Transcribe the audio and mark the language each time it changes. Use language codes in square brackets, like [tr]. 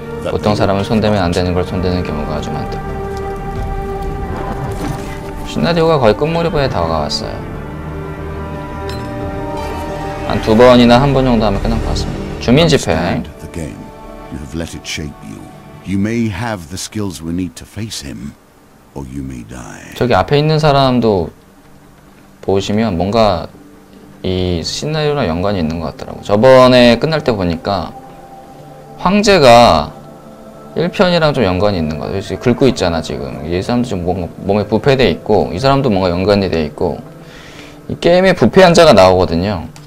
[ko] 보통 사람을 손대면 안 되는 걸 손대는 경우가 아주 많다. 시나리오가 거의 끝무렵에 다가왔어요. 한 두 번이나 한 번 정도 하면 끝난 것 같습니다. 주민 집회. [en] You have let it shape you. You may have the skills we need to face him, or you may die. [ko] 저기 앞에 있는 사람도 보시면 뭔가 이 시나리오랑 연관이 있는 것 같더라고. 저번에 끝날 때 보니까 황제가 1편이랑 좀 연관이 있는 것 같아요. 긁고 있잖아 지금. 이 사람도 좀 뭔가 몸에 부패돼 있고, 이 사람도 뭔가 연관이 돼 있고, 이 게임에 부패한 자가 나오거든요.